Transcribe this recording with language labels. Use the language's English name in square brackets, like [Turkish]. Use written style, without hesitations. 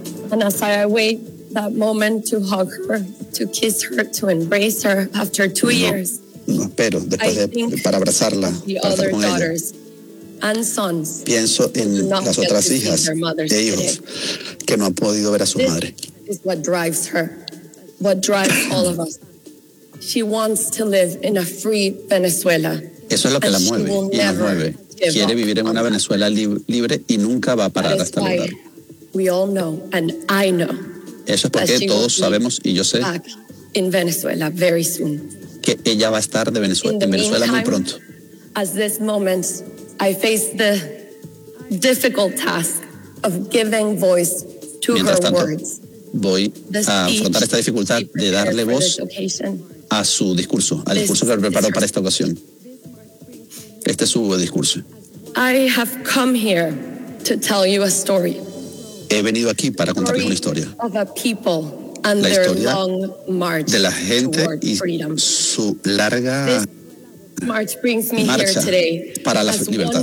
[English] And as I wait that moment to hug her, to kiss her, to embrace her after two years. [Spanish] No espero después de para abrazarla, para estar con ella. [English] And sons, [Spanish] pienso en las otras hijas e hijos que no han podido ver a su madre. [English] This is what drives her, what drives all of us. She wants to live in a free Venezuela. [Spanish] Eso es lo que la mueve y nos mueve. Quiere vivir en una Venezuela libre y nunca va a parar hasta lograr. [English] We all know, and I know. [Spanish] Eso es porque todos sabemos y yo sé que ella va a estar de Venezuela, en Venezuela muy pronto. [English] As this moment, I face the difficult task of giving voice to [Spanish] mientras [English] her [Spanish] tanto, [English] words. [Spanish] Voy a afrontar esta dificultad de darle voz a su discurso, al discurso que preparó para esta ocasión. Este es su discurso. [English] I have come here to tell you a story. [Spanish] He venido aquí para contarles una historia. La historia de la gente y su larga marcha para la libertad.